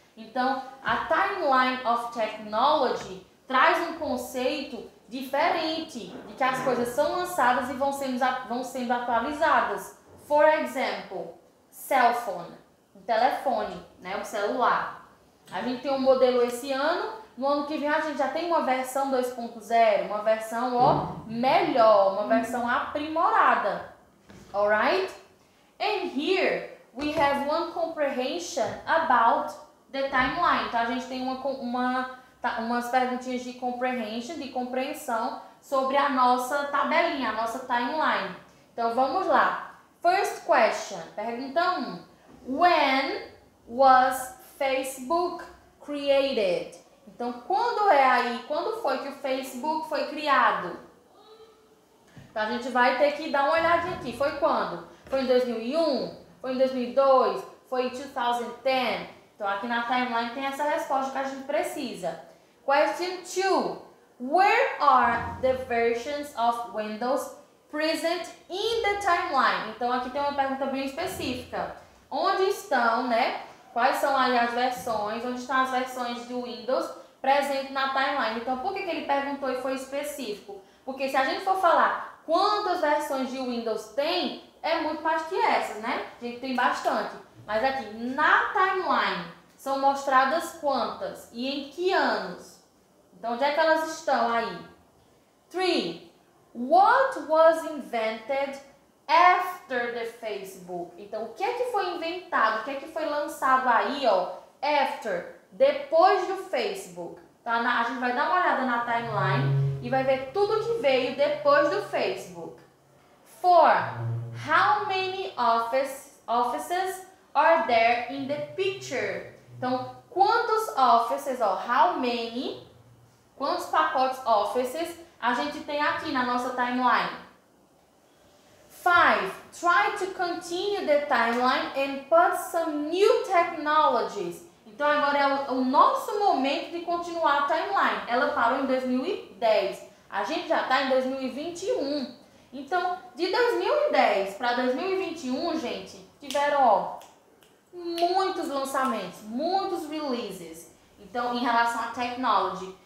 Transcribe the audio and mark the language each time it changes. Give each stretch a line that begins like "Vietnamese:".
Portuguese: Então, a timeline of technology traz um conceito diferente de que as coisas são lançadas e vão sendo atualizadas.
English: For example, cell phone,
Portuguese: o telefone, né, o celular. A gente tem um modelo esse ano, no ano que vem a gente já tem uma versão 2.0, uma versão ó, melhor, uma versão aprimorada.
English: Alright? And here we have one comprehension about the timeline.
Portuguese: Então a gente tem umas perguntinhas de comprehension, de compreensão sobre a nossa tabelinha, a nossa timeline. Então vamos lá.
English: First question,
Portuguese: pergunta 1.
English: When was Facebook created?
Portuguese: Então quando é aí? Quando foi que o Facebook foi criado? Então a gente vai ter que dar uma olhadinha aqui. Foi quando? Foi em 2001? Foi em 2002? Foi em 2010? Então aqui na timeline tem essa resposta que a gente precisa.
English: Question 2. Where are the versions of Windows present in the timeline?
Portuguese: Então aqui tem uma pergunta bem específica. Onde estão, né? Quais são aí as versões? Onde estão as versões do Windows presentes na timeline? Então por que ele perguntou e foi específico? Porque se a gente for falar quantas versões de Windows tem, é muito mais que essas, né? A gente tem bastante. Mas aqui, na timeline, são mostradas quantas e em que anos? Então, onde é que elas estão aí? 3.
English: What was invented after the Facebook?
Portuguese: Então, o que é que foi inventado? O que é que foi lançado aí, ó? After, depois do Facebook. Tá? A gente vai dar uma olhada na timeline e vai ver tudo que veio depois do Facebook.
English: 4. How many offices are there in the picture?
Portuguese: Então, quantos offices, ó,
English: how many,
Portuguese: quantos pacotes offices a gente tem aqui na nossa timeline? 5.
English: Try to continue the timeline and put some new technologies.
Portuguese: Então, agora é o nosso momento de continuar a timeline. Ela parou em 2010. A gente já está em 2021. Então, de 2010 para 2021, gente, tiveram, ó, muitos lançamentos, muitos releases, então, em relação à technology.